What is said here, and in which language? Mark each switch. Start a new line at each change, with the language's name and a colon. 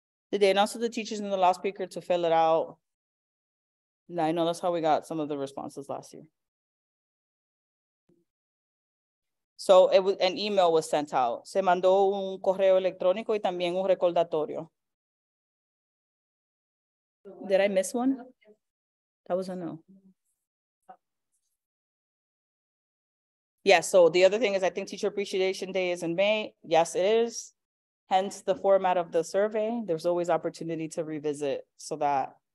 English: Did they announce to the teachers in the last speaker to fill it out? No, I know that's how we got some of the responses last year. So it was, an email was sent out.
Spanish: Se mandó un correo electrónico y también un recordatorio.
English: Did I miss one? That was a no. Yeah, so the other thing is, I think Teacher Appreciation Day is in May. Yes, it is. Hence the format of the survey. There's always opportunity to revisit so that.